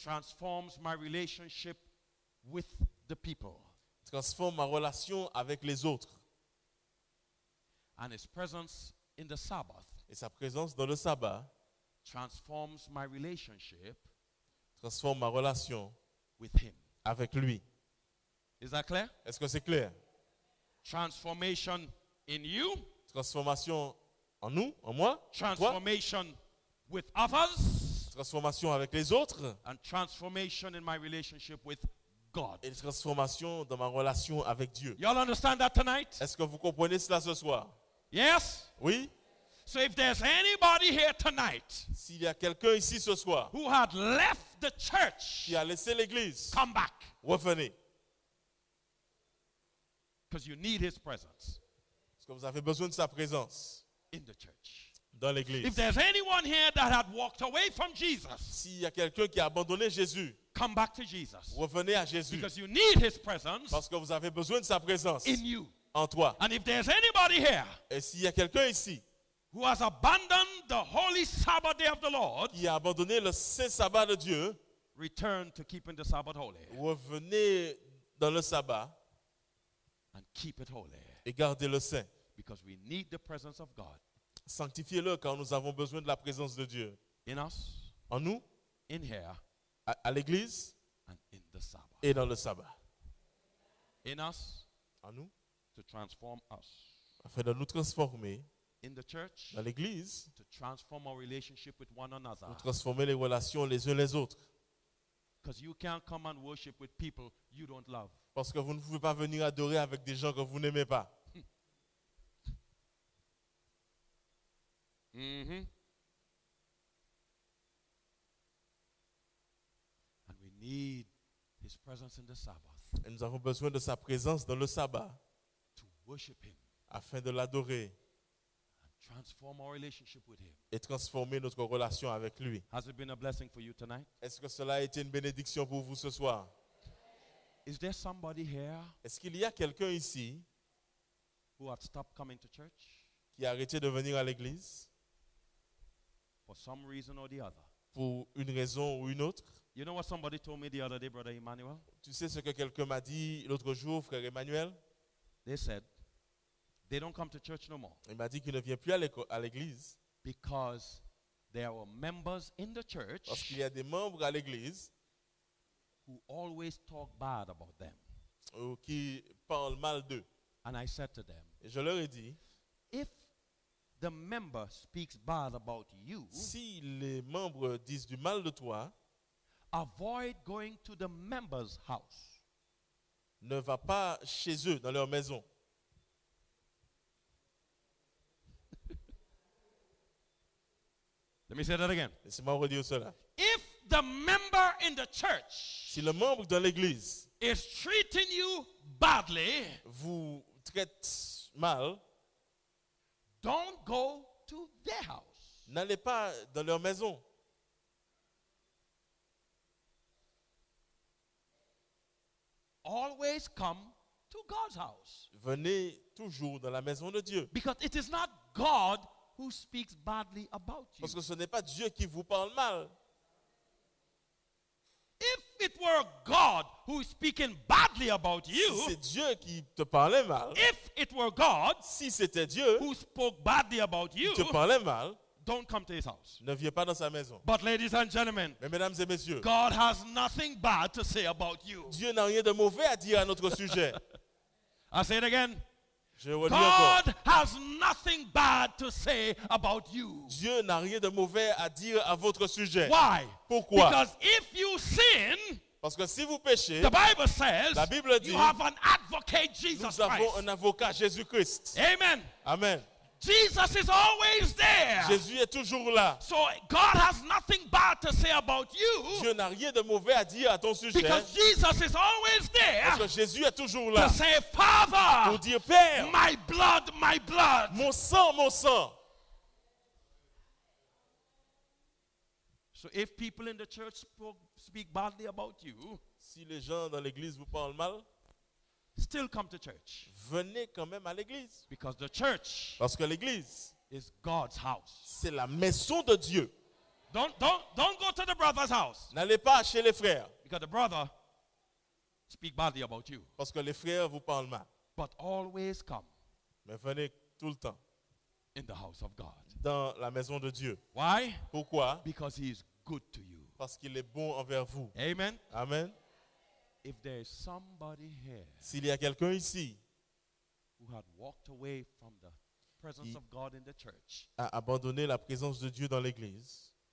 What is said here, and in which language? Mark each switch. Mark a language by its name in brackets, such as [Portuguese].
[English] Transforms my relationship with the people. [French] Transforme ma relation avec les autres. [English] And his presence in the Sabbath. [French] Et sa présence dans le sabbat [English] transforms my relationship, [French] transforme ma relation [English] with him. [French] Avec lui. [English] Is that clear? [French] Est-ce que c'est clair? [English] Transformation in you, [French] transformation en nous, en moi, [English] transformation [French] toi, [English] with others, [French] transformation avec les autres, [English] and transformation in my relationship with God. [French] Et transformation dans ma relation avec Dieu. [English] You all understand that tonight? [French] Est-ce que vous comprenez cela ce soir? [English] Yes? [French] Oui. [English] So if there's anybody here tonight, [French] s'il y a quelqu'un ici ce soir, [English] who had left the church, [French] qui a laissé l'église, [English] come back, [French] revenez, [English] because you need His presence, [French] parce que vous avez besoin de sa présence, [English] in the church, [French] dans l'église. [English] If there's anyone here that had walked away from Jesus, [French] s'il y a quelqu'un qui a abandonné Jésus, [English] come back to Jesus, [French] revenez à Jésus, [English] because you need His presence, [French] parce que vous avez besoin de sa présence, [English] in you, [French] en toi. [English] And if there's anybody here, [French] et s'il y a quelqu'un ici, [English] who has abandoned the holy Sabbath day of the Lord, [French] qui a abandonné le saint sabbat de Dieu, [English] return to keeping the Sabbath holy. [French] Revenez dans le sabbat [English] and keep it holy. [French] Et gardez le saint. [English] Because we need the presence of God. [French] Sanctifiez-le car nous avons besoin de la présence de Dieu. [English] In us. [French] En nous. [English] In here. [French] À l'église. [English] And in the Sabbath. [French] Et dans le sabbat. [English] In us. [French] En nous. [English] To transform us. [French] Afin de nous transformer. [English] In the church, [French] dans l'église, [English] to transform our relationship with one another, [French] pour transformer les relations les uns les autres. [English] Because you can't come and worship with people you don't love. [French] Parce que vous ne pouvez pas venir adorer avec des gens que vous n'aimez pas. [English] And we need His presence in the Sabbath. [French] Et nous avons besoin de sa présence dans le sabbat [English] to worship him [French] afin de l'adorer [English] and transform our relationship with him. [French] Et transformer notre relation avec lui. [English] Has it been a blessing for you tonight? [French] Est-ce que cela a été une bénédiction pour vous ce soir? [English] Is there somebody here? [French] Est-ce qu'il y a quelqu'un ici [English] who have stopped coming to church? [French] Qui a arrêté de venir à l'église? [English] For some reason or the other. [French] Pour une raison ou une autre. [English] You know what somebody told me the other day, Brother Emmanuel? [French] Tu sais ce que quelqu'un m'a dit l'autre jour, frère Emmanuel? [English] They said they don't come to church no more. [French] Il m'a dit qu'il ne vient plus à l'église. [English] Because there are members in the church. [French] Parce qu'il y a des membres à l'église. [English] Who always talk bad about them. [French] Ou qui parlent mal d'eux. [English] And I said to them. [French] Et je leur ai dit. [English] If the member speaks bad about you. [French] Si les membres disent du mal de toi. [English] Avoid going to the member's house. [French] Ne va pas chez eux, dans leur maison. [English] Let me say that again. [French] Laissez-moi redire cela. [English] If the member in the church. [French] Si le membre dans l'église. [English] Is treating you badly. [French] Vous traite mal. [English] Don't go to their house. [French] N'allez pas dans leur maison. [English] Always come to God's house. [French] Venez toujours dans la maison de Dieu. [English] Because it is not God who speaks badly about you. [French] Parce que ce n'est pas Dieu qui vous parle mal. [English] If it were God who is speaking badly about you. [French] Si c'est Dieu qui te parlait mal. [English] If it were God. [French] Si c'était Dieu. [English] Who spoke badly about you. [French] Qui te parlait mal. [English] Don't come to his house. [French] Ne viens pas dans sa maison. [English] But ladies and gentlemen. [French] Mais mesdames et messieurs. [English] God has nothing bad to say about you. [French] Dieu n'a rien de mauvais à dire à notre sujet. [English] I say it again. [French] Je vous [English] God has nothing bad to say about you. [French] Dieu n'a rien de mauvais à dire à votre sujet. [English] Why? [French] Pourquoi? [English] Because if you sin, [French] parce que si vous péchez, [English] the Bible says, [French] la Bible dit, [English] you have an advocate, Jesus Christ. [French] Nous avons un avocat, Jésus Christ. [English] Amen. [French] Amen. [English] Jesus is always there. [French] Jésus est toujours là. [English] So God has nothing bad to say about you. [French] Dieu n'a rien de mauvais à dire à ton sujet. [English] Because Jesus is always there. [French] Parce que Jésus est toujours là. [English] To say Father. [French] Pour dire Père. [English] My blood, my blood. [French] Mon sang, mon sang. [English] So if people in the church speak badly about you, [French] si les gens dans l'église vous parlent mal, [English] still come to church. [French] Venez quand même à l'église. [English] Because the church, [French] parce que l'église, [English] is God's house. [French] C'est la maison de Dieu. [English] Don't go to the brother's house. [French] N'allez pas chez les frères. [English] Because the brother speak badly about you. [French] Parce que les frères vous parlent mal. [English] But always come. [French] Mais venez tout le temps. [English] In the house of God. [French] Dans la maison de Dieu. [English] Why? [French] Pourquoi? [English] Because he is good to you. [French] Parce qu'il est bon envers vous. [English] Amen. [French] Amen. [English] If there is somebody here, [French] s'il y a quelqu'un ici, [English] who had walked away from the presence of God in the church, [French] a abandonné la présence de Dieu dans l'église,